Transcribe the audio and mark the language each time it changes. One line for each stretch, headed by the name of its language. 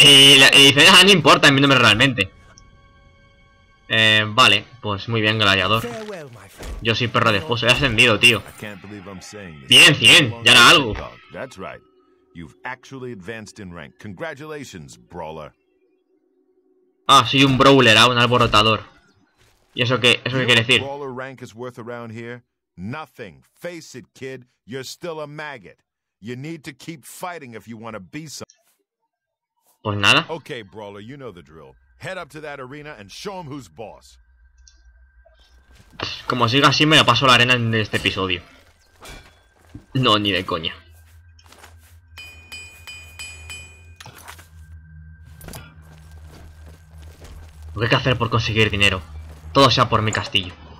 Spanish: Y dice, ah, no importa mi nombre realmente. Vale, pues muy bien, gladiador. Yo soy perro de foso, he ascendido, tío. Bien, 100, ya era algo.
English: That's right. You've actually advanced in rank. Congratulations, brawler.
Spanish: Ah, soy un brawler, ah, un alborotador. ¿Y eso qué quiere decir?
English: Brawler rank is worth around here? Nothing. Face it, kid. You're still a maggot. You need to keep fighting if you want to be some.
Spanish: Pues nada.
English: Okay, brawler, you know the drill. Head up to that arena and show him who's boss.
Spanish: Como siga así, me lo paso la arena en este episodio. No, ni de coña. Lo que hay que hacer por conseguir dinero. Todo sea por mi castillo.